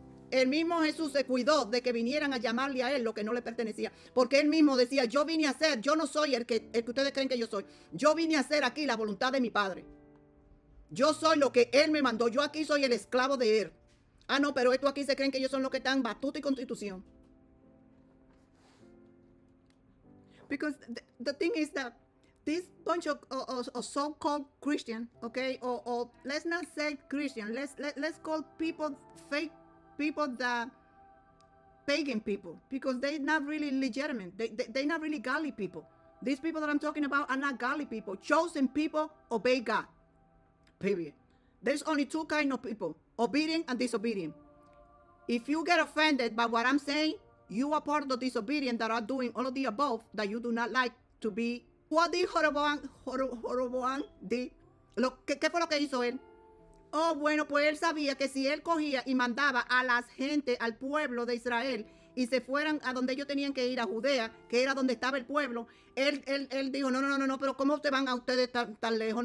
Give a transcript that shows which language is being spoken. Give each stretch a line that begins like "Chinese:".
Spanish: El mismo Jesús se cuidó de que vinieran a llamarle a él lo que no le pertenecía, porque él mismo decía: yo vine a hacer, yo no soy el que ustedes creen que yo soy. Yo vine a hacer aquí la voluntad de mi Padre. Yo soy lo que él me mandó. Yo aquí soy el esclavo de él. Ah, no, pero estos aquí se creen que ellos son los que están batuta y constitución.
English: Because the thing is that this bunch of so-called Christian, okay, or let's not say Christian, let's call people fake people, that pagan people, because they're not really legitimate. They're not really godly people. These people that I'm talking about are not godly people. Chosen people obey God. Period. There's only two kinds of people: obedient and disobedient. If you get offended by what I'm saying, you are part of the disobedient that are doing all of the above that you do not like to be. What did Jeroboam do?
Spanish: ¿Qué fue lo que hizo él? Oh, bueno, pues él sabía que si él cogía y mandaba a la gente, al pueblo de Israel, y se fueran a donde ellos tenían que ir, a Judea, que era donde estaba el pueblo, él dijo, no, no, no, no, pero ¿cómo te van a ustedes tan lejos?